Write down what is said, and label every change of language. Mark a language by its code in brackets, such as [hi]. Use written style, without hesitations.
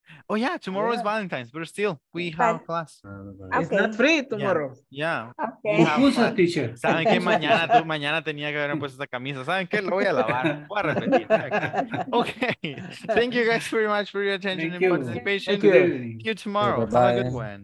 [en] Oh yeah, tomorrow is Valentine's, but still we have class. It's not free tomorrow. Yeah. Okay. Have, teacher. [es] Saben que mañana tenía que haber puesto esa camisa. Saben que lo voy a lavar. Voy a repetir. Okay. [en] Thank you guys very much for your attention and participation. Thank you. See you tomorrow. Bye-bye. Have a good one.